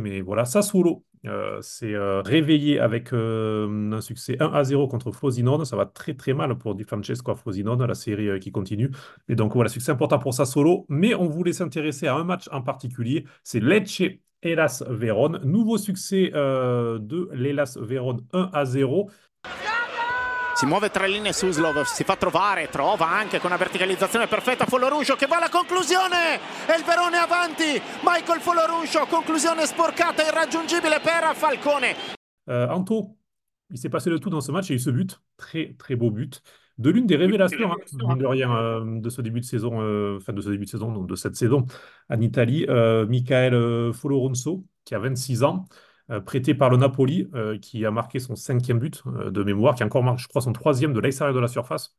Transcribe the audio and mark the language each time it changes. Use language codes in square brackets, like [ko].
[fr] Mais voilà, Sassuolo s'est réveillé avec un succès 1-0 contre Frosinone. Ça va très, très mal pour Di Francesco à Frosinone, la série qui continue. Et donc, voilà, succès important pour Sassuolo. Mais on voulait s'intéresser à un match en particulier, c'est Lecce Hellas Vérone. Nouveau succès de l'Hellas Vérone 1-0. [it] Si muove tra le linee Suslov, si fa trovare, trova anche con una verticalizzazione perfetta Folorunshow che va alla conclusione e il Verone avanti, Michael Folorunshow, conclusione sporcata, irraggiungibile per Falcone. [fr] Anto, il s'est passé de tout dans ce match, il y a eu ce but, très très beau but, de l'une des révélations, hein, mine de rien, de ce début de saison, enfin de ce début de saison, non, de cette saison en Italie, Michael Folorunshow, qui a 26 ans. Prêté par le Napoli, qui a marqué son cinquième but de mémoire, qui a encore marqué, je crois, son troisième de l'extérieur de la surface.